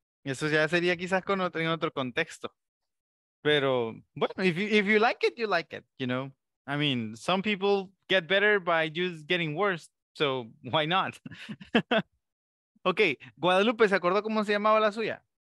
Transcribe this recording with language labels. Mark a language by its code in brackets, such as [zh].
[es] Eso ya sería quizás con otro, en otro contexto. [en] Pero, bueno, if you like it, you like it, you know. I mean, some people get better by just getting worse, so why not? [es] Okay, Guadalupe, ¿se acordó cómo se llamaba la suya?